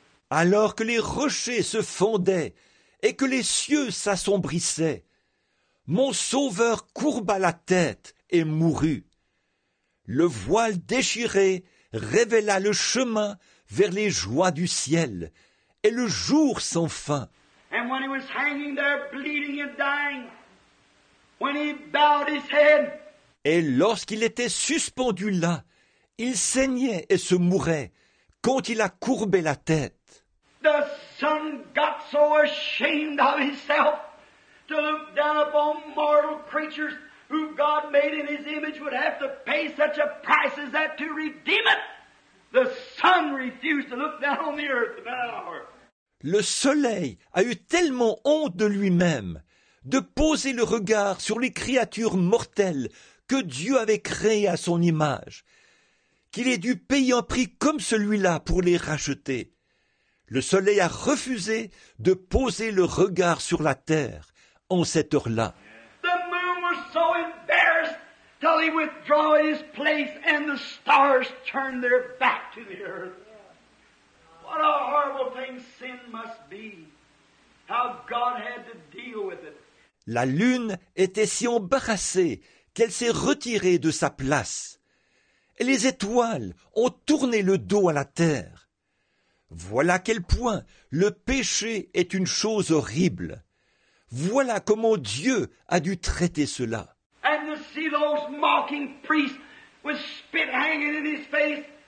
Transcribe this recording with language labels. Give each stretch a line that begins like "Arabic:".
French: Alors que les rochers se fondaient et que les cieux s'assombrissaient, mon Sauveur courba la tête et mourut. Le voile déchiré révéla le chemin vers les joies du ciel et le jour sans fin.
English: And when he was hanging there bleeding and dying, when he bowed his head,
French: et lorsqu'il était suspendu là, il saignait et se mourait quand il a courbé la tête.
English: The son got so ashamed of himself to look down upon mortal creatures who God made in his image would have to pay such a price as that to redeem it. The son refused to look down on the earth for that hour.
French: Le soleil a eu tellement honte de lui-même de poser le regard sur les créatures mortelles que Dieu avait créées à son image, qu'il ait dû payer un prix comme celui-là pour les racheter. Le soleil a refusé de poser le regard sur la terre en cette heure-là.
English: The moon was so embarrassed till he withdrew his place and the stars turned their back to the earth. What a horrible thing sin must be. How God had to deal with it.
French: La lune était si embarrassée qu'elle s'est retirée de sa place. Et les étoiles ont tourné le dos à la terre. Voilà à quel point le péché est une chose horrible. Voilà comment Dieu a dû traiter cela.
English: And to see those mocking priests with spit hanging in his face.